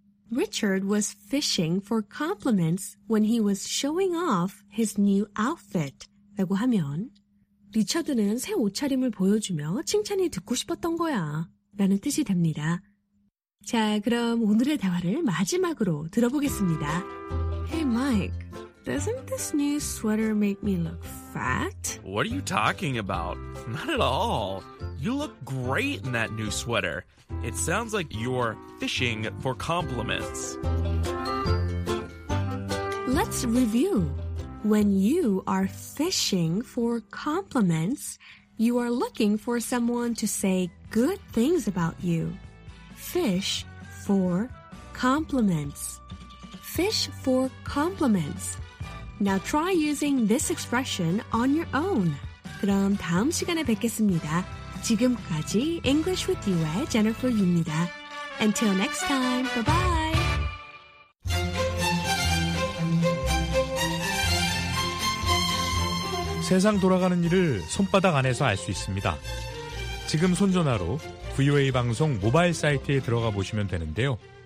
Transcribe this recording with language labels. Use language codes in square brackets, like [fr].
[en] Richard was fishing for compliments when he was showing off his new outfit. [ko] 라고 하면, 리처드는 새 옷차림을 보여주며 칭찬이 듣고 싶었던 거야. 라는 뜻이 됩니다. 자, 그럼 오늘의 대화를 마지막으로 들어보겠습니다. [en] Hey, Mike, doesn't this new sweater make me look fat? What are you talking about? Not at all. You look great in that new sweater. It sounds like you're fishing for compliments. Let's review. When you are fishing for compliments, you are looking for someone to say good things about you. Fish for compliments. Fish for compliments. Now try using this expression on your own. [ko] 그럼 다음 시간에 뵙겠습니다. 지금까지 English with You의 Jennifer 유입니다. [en] Until next time, bye-bye. [ko] 세상 돌아가는 일을 손바닥 안에서 알 수 있습니다. 지금 손전화로 VOA 방송 모바일 사이트에 들어가 보시면 되는데요.